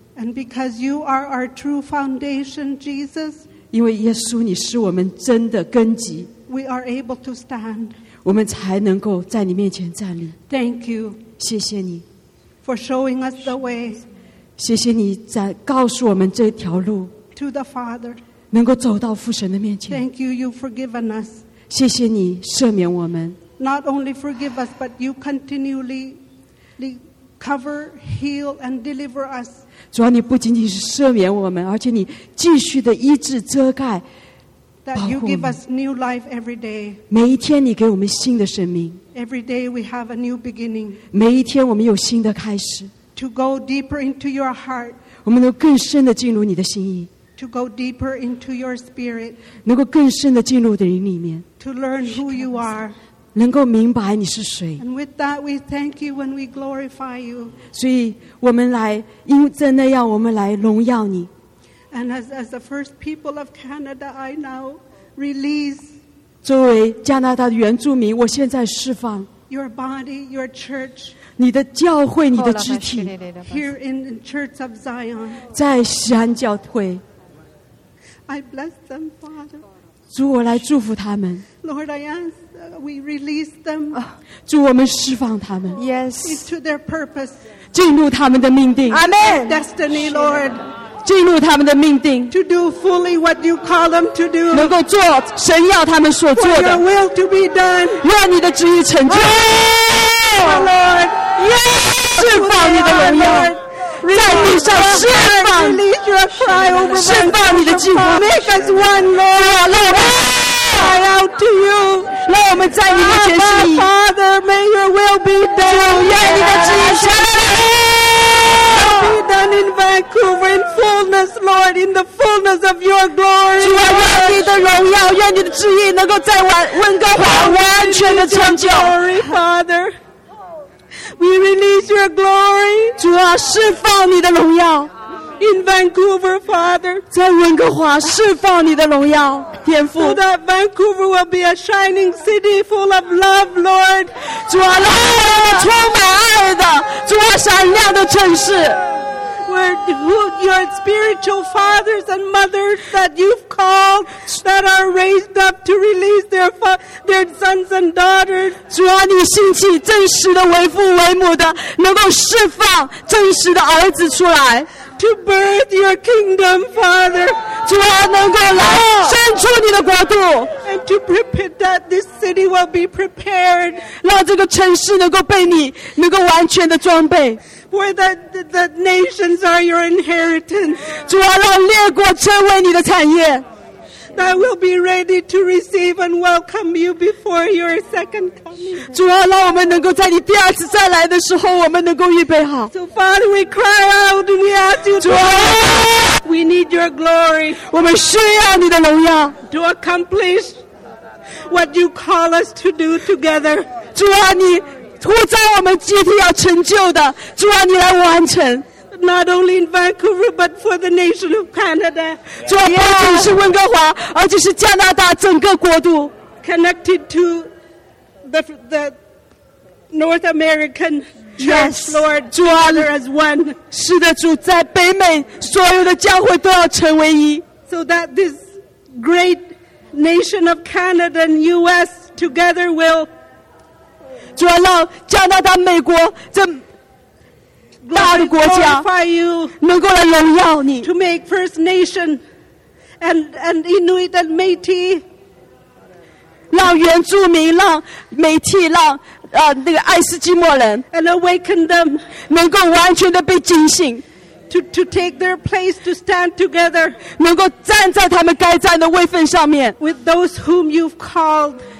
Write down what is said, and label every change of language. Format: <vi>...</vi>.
<en>and because you are our true foundation Jesus</en> <zh>因为耶稣你是我们真的根基</zh> <en>we are able to stand</en> <zh>我们才能够在你面前站立</zh> <en>thank you</en> <zh>谢谢你</zh> <en>for showing us the way</en> <zh>谢谢你在告诉我们这条路</zh> <en>to the Father.</en> <zh>能够走到父神的面前</zh> <en>Thank you, you've forgiven us.</en> <zh>谢谢你赦免我们</zh> <en>Not only forgive us, but you continually cover, heal, and deliver us.</en> <zh>主啊你不仅仅是赦免我们而且你继续的医治遮盖</zh> <en>That you give us new life every day.</en> <zh>每一天你给我们新的生命</zh> <en>Every day we have a new beginning.</en> <zh>每一天我们有新的开始</zh> <en>To go deeper into your heart.</en> <zh>我们能更深地进入你的心意。</zh> <en>To go deeper into your spirit.</en> <zh>能够更深地进入的你里面。</zh> <en>To learn who you are.</en> <zh>能够明白你是谁。</zh> <en>And with that, we thank you when we glorify you.</en> <zh>所以我们来，因着那样我们来荣耀你。</zh> <en>And as the first people of Canada, I now release.</en> <zh>作为加拿大的原住民，我现在释放。</zh> <en>Your body, your church.</en> <zh>你的教会你的肢体</zh> <en>Here in the church of Zion</en> <zh>在锡安教会</zh> <en>I bless them, Father.</en> <zh>主，我来祝福他们。</zh> <en>Lord, I ask, we release them.</en> <zh>主，我们释放他们。</zh> <en>Yes. Into their purpose.</en> <zh>进入他们的命定。</zh> <en>Amen. Destiny, Lord.</en> <zh>进入他们的命定。</zh> <en>To do fully what you call them to do.</en> <zh>能够做神要他们所做的。</zh> <en>For your will to be done.</en> <zh>愿你的旨意成就。</zh> <en>Oh, Lord. Yes.</en> <zh>释放你的荣耀。</zh> <en>Release your cry over me. Make us one, Lord. Let us cry out to you. Let us in your presence. Father, may your will be done. Let your will be done in Vancouver in fullness, Lord, in the fullness of your glory. Let your will be done. Let your will be done. Let your will be done. Let your will be done. Let your will be done. Let your will be done. We release your glory.</en> <zh>主啊，释放你的荣耀。</zh> <en>In Vancouver, Father,</en> <zh>在温哥华释放你的荣耀，天父。</zh> <en>So that Vancouver will be a shining city full of love, Lord.</en> <zh>主啊，让我们充满爱的，主啊，闪亮的城市。</zh> <en>Where your spiritual fathers and mothers that you've called that are raised up to release their sons and daughters.</en> <zh>主啊，你兴起真实的为父为母的，能够释放真实的儿子出来。</zh> <en>To birth your kingdom, Father.</en> <zh>主啊，能够来伸出你的国度。</zh> <en>And to prepare that this city will be prepared.</en> <zh>让这个城市能够被你能够完全的装备。</zh> <en>Where the nations are your inheritance.</en> <zh>主啊，让列国成为你的产业。</zh> <en>That will be ready to receive and welcome you before your second coming.</en> <zh>主啊，让我们能够在你第二次再来的时候，我们能够预备好。</zh> <en>So Father, we cry out and we ask you.</en> <zh>主啊，</zh> <en>we need your glory.</en> <zh>我们需要你的荣耀。</zh> <en>To accomplish what you call us to do together.</en> <zh>主啊，你呼召我们集体要成就的，主啊，你来完成。</zh> <en>Not only in Vancouver, but for the nation of Canada.</en> <zh>主啊，不仅是温哥华，而且是加拿大整个国度。</zh> <en>Connected to the North American Church, Lord, together as one.</en> <zh>是的，主，在北美所有的教会都要成为一。</zh> <en>So that this great nation of Canada and U.S. together will.</en> <zh>主啊，让加拿大、美国这。大的国家能够来荣耀你</zh> <en>to make First Nation and Inuit and Métis</en> <zh>让原住民让美籍让那个爱斯基摩人</zh> <en>and awaken them</en> <zh>能够完全的被警醒</zh> <en>to take their place to stand together</en> <zh>能够站在他们该站的位分上面</zh> <en>with those whom you've called</en>